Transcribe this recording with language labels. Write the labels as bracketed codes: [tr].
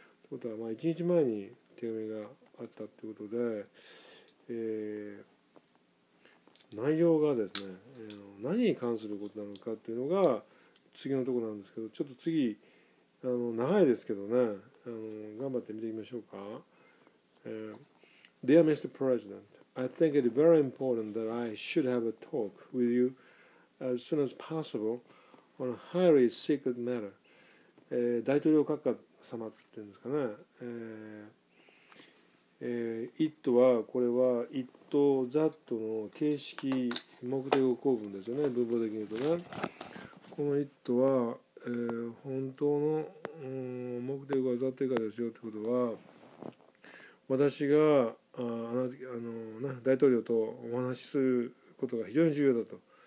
[ja] ということは、まあ、1日前に手紙があったということで、内容がですね、何に関することなのかというのが次のところなんですけど、ちょっと次長いですけどね、頑張って見ていきましょうか。 [en] Dear Mr. President,I think it very important that I should have a talk with you as soon as possible on a highly secret matter. [ja] 大統領閣下様っていうんですかね。 [en] It [ja] は、これは it, that の形式目的語構文ですよね。文法的に言うとね。この it は、本当の、目的語は that かですよってことは、私が大統領とお話しすることが非常に重要だと。